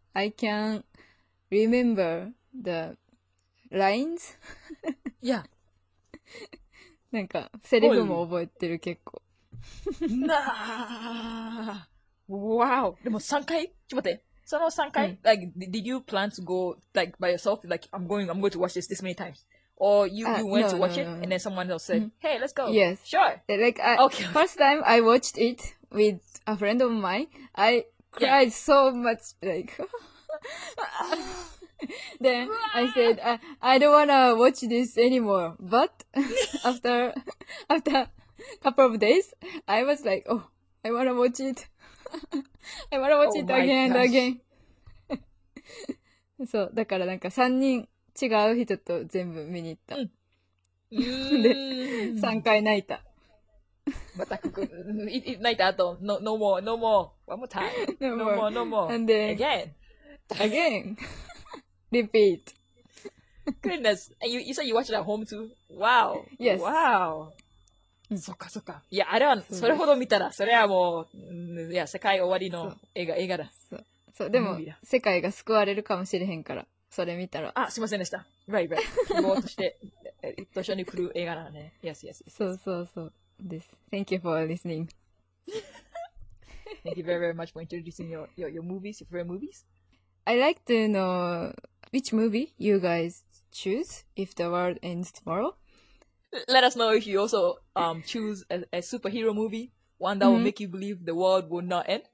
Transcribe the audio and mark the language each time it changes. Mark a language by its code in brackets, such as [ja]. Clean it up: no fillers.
[en] I can remember the lines. Yeah. [ja] なんか、セリフも覚えてる、結構。なぁ。 [en] Wow. [ja] でも3回、ちょっと待って。その3回、うん、 [en] like, did you plan to go, like, by yourself? Like, I'm going to watch this this many times. Or you went to watch it, and then someone else said, hey, let's go. Yes. Sure. Like, first time I watched it with a friend of mine, I cried so much, like, then I said, I don't want to watch this anymore. But after a couple of days, I was like, oh, I want to watch it. I want to watch it again and again. [ja] そう、だからなんか3人違う人と全部見に行った。で、3回泣いた。またここ、泣いた後、 [en] no more, no more, one more time. No more. And then, again. Repeat. Goodness. And you said you watched it at home too? Wow. Yes. Wow. [ja] そっかそっか。いや、あれは、それほど見たら、それはもう、いや、世界終わりの映画だ。そう、でも、世界が救われるかもしれへんから、それ見たら。あ、すいませんでした。 [en] Right. [ja] 希望として、一緒に来る映画だね。 [en] Yes, yes. [ja] そうそうそう。です。 [en] Thank you for listening. Thank you very, very much for introducing your movies, your favorite movies. I like to know which movie you guys choose if the world ends tomorrow. Let us know if you also choose a superhero movie, one that will make you believe the world will not end.